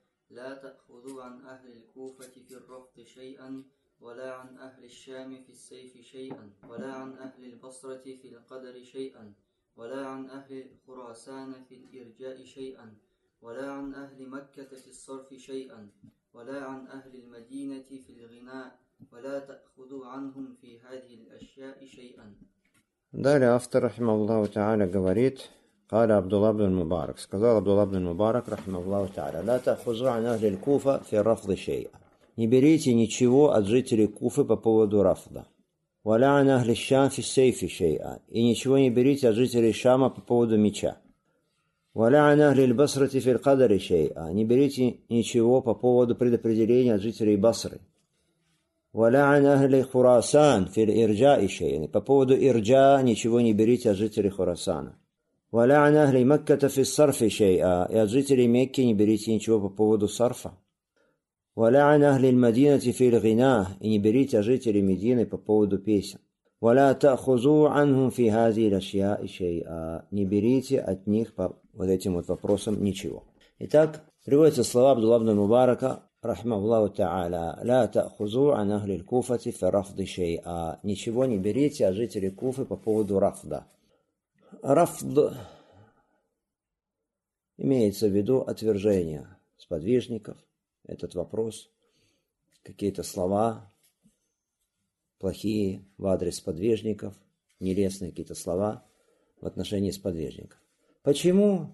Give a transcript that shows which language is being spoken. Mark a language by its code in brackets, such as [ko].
[ar] لا تأخذوا عن أهل الكوفة في الرفض شيئا ولا عن أهل الشام في السيف شيئا ولا عن أهل البصرة في القدر شيئا ولا عن أهل خراسان في الإرجاء شيئا ولا عن أهل مكة في الصرف شيئا ولا عن أهل المدينة في الغناء ولا تأخذوا عنهم في هذه الأشياء شيئا. [ru] Далее автор [ar] رحمه الله تعالى [ru] говорит. [ar] قال عبد الله بن المبارك. [ru] Сказал [ar] عبد الله بن المبارك رحمه الله تعالى. لا تأخذوا عن أهل الكوفة في الرفض شيئا. [ru] Не берите ничего от жителей Куфы по поводу рафда. [ar] ولا عن أهل الشام في السيف شيئا. [ru] И ничего не берите от жителей Шама по поводу меча. [ar] ولا عن أهل البصرة في القدر شيئا. [ru] Не берите ничего по поводу предопределения от жителей Басры. [ar] ولا عن أهل خراسان في الإرجاء شيئا. [ru] По поводу إرجاء ничего не берите от жителей Хорасана. [ar] ولا عن أهل مكة في الصرف شيئا. [ru] يا жители Мекки не берите ничего по поводу сарфа. [ar] ولا عن أهل المدينة في الغناء. [ru] И не берите от жителей Медины по поводу песен. [ar] ولا تأخذوا عنهم في هذه الأشياء شيئا. [ru] Не берите от них по вот этим вот вопросам ничего. Итак, приводятся слова Абдулла ибн Мубарака [ar] رحمه الله تعالى. لا تأخذوا عن أهل الكوفة في رفض شيئا. [ru] Ничего не берите от жителей Куфы по поводу рафда. Рафд имеется в виду отвержение сподвижников, этот вопрос, какие-то слова плохие в адрес сподвижников, нелестные какие-то слова в отношении сподвижников. Почему?